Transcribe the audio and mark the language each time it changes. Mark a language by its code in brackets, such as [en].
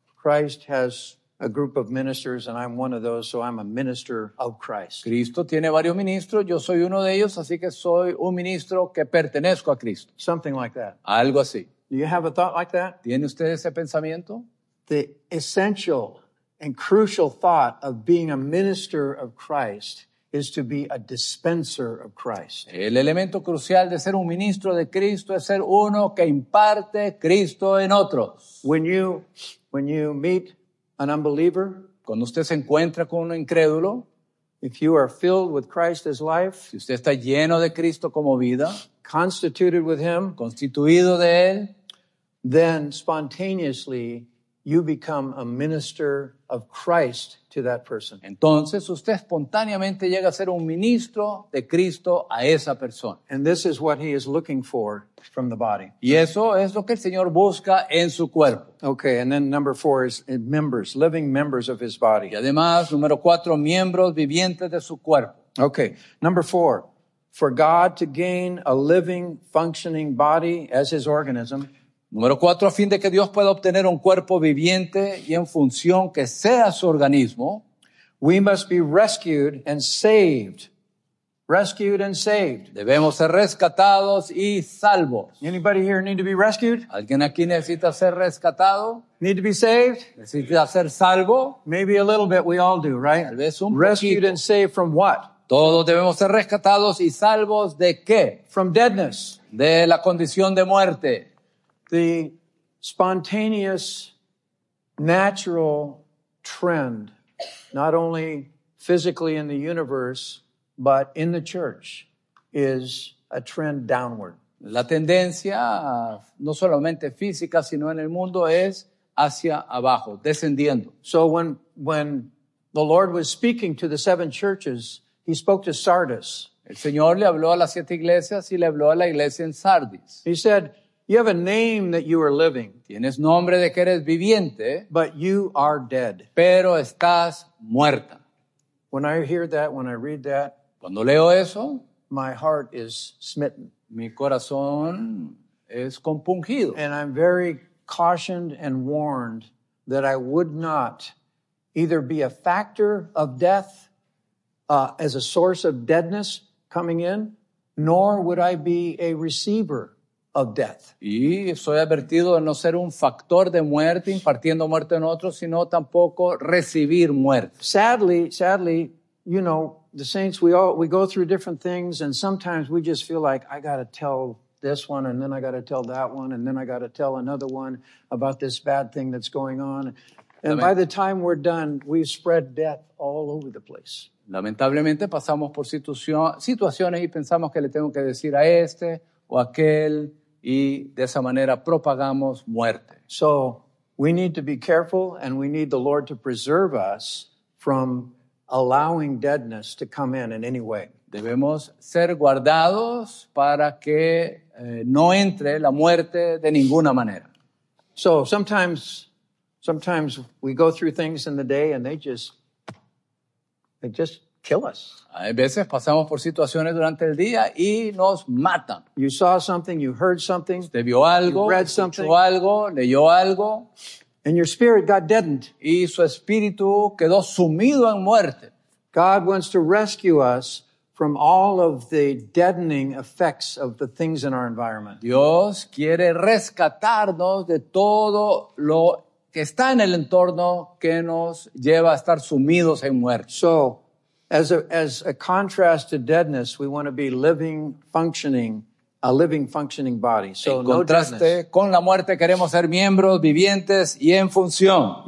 [en] Christ has a group of ministers and I'm one of those, so I'm a minister of Christ. [es] Cristo tiene varios ministros. Yo soy uno de ellos, así que soy un ministro que pertenezco a Cristo. [en] Something like that. [es] Algo así. [en] Do you have a thought like that? [es] ¿Tiene usted ese pensamiento? [en] The essential and crucial thought of being a minister of Christ is to be a dispenser of Christ. [es] El elemento crucial de ser un ministro de Cristo es ser uno que imparte Cristo en otros. [en] When you meet an unbeliever, [es] cuando usted se encuentra con un incrédulo, [en] if you are filled with Christ as life, [es] si usted está lleno de Cristo como vida, [en] constituted with him, [es] constituido de él, [en] then spontaneously you become a minister of Christ to that person. [es] Entonces, usted espontáneamente llega a ser un ministro de Cristo a esa persona. [en] And this is what he is looking for from the body. [es] Y eso es lo que el Señor busca en su cuerpo. [en] Okay, and then number four is members, living members of his body. [es] Y además, número cuatro, miembros vivientes de su cuerpo. [en] Okay, number four, for God to gain a living, functioning body as his organism. [es] Número cuatro, a fin de que Dios pueda obtener un cuerpo viviente y en función que sea su organismo, [en] we must be rescued and saved. Rescued and saved. [es] Debemos ser rescatados y salvos. [en] Anybody here need to be rescued? [es] ¿Alguien aquí necesita ser rescatado? [en] Need to be saved? [es] ¿Necesita ser salvo? [en] Maybe a little bit, we all do, right? [es] Tal vez un [en] rescued [es] poquito. [en] And saved from what? [es] Todos debemos ser rescatados y salvos de qué? [en] From deadness. [es] De la condición de muerte. [en] The spontaneous, natural trend, not only physically in the universe, but in the church, is a trend downward. [es] La tendencia, no solamente física, sino en el mundo, es hacia abajo, descendiendo. [en] So when the Lord was speaking to the seven churches, he spoke to Sardis. [es] El Señor le habló a las siete iglesias y le habló a la iglesia en Sardis. [en] He said, you have a name that you are living. [es] Tienes nombre de que eres viviente. [en] But you are dead. [es] Pero estás muerta. [en] When I hear that, when I read that, [es] cuando leo eso, [en] my heart is smitten. [es] Mi corazón es compungido. [en] And I'm very cautioned and warned that I would not either be a factor of death as a source of deadness coming in, nor would I be a receiver of death. [es] Y soy advertido de no ser un factor de muerte impartiendo muerte en otros, sino tampoco recibir muerte. [en] Sadly, you know, the saints, we go through different things, and sometimes we just feel like I gotta tell this one, and then I gotta tell that one, and then I gotta tell another one about this bad thing that's going on. And by the time we're done, we've spread death all over the place. [es] Lamentablemente pasamos por situaciones y pensamos que le tengo que decir a este o aquel, y de esa manera propagamos muerte. [en] So, we need to be careful and we need the Lord to preserve us from allowing deadness to come in any way. [es] Debemos ser guardados para que no entre la muerte de ninguna manera. [en] So, sometimes we go through things in the day and they just kill us. [es] Hay veces pasamos por situaciones durante el día y nos matan. [en] You saw something, you heard something. [es] Usted vio algo, [en] you read something, [es] escuchó algo, leyó algo. [en] And your spirit got deadened. [es] Y su espíritu quedó sumido en muerte. [en] God wants to rescue us from all of the deadening effects of the things in our environment. [es] Dios quiere rescatarnos de todo lo que está en el entorno que nos lleva a estar sumidos en muerte. [en] So, As a contrast to deadness, we want to be living, functioning, a living, functioning body. So [es] en contraste con la muerte, queremos ser miembros vivientes y en función.